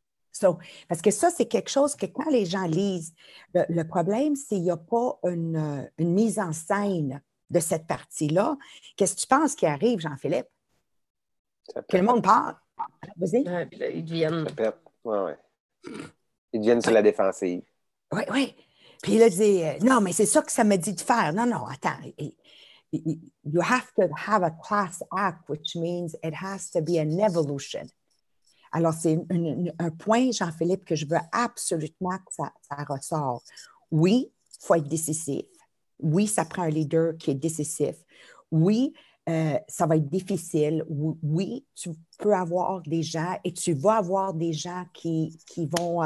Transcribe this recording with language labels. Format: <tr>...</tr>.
<fr>So, parce que ça, c'est quelque chose que quand les gens lisent, le problème, c'est qu'il n'y a pas une mise en scène de cette partie-là. Qu'est-ce que tu penses qui arrive, Jean-Philippe? Que le monde parle. Vas-y. Ils deviennent. Ils deviennent sur la défensive. Oui, oui. Puis il a dit, non, mais c'est ça que ça me dit de faire. Non, non, attends.</fr> <en>You have to have a class act, which means it has to be an evolution.</en> <fr>Alors, c'est un point, Jean-Philippe, que je veux absolument que ça ressort. Oui, il faut être décisif. Oui, ça prend un leader qui est décisif. Oui, ça va être difficile. Oui, tu peux avoir des gens et tu vas avoir des gens qui vont...</fr>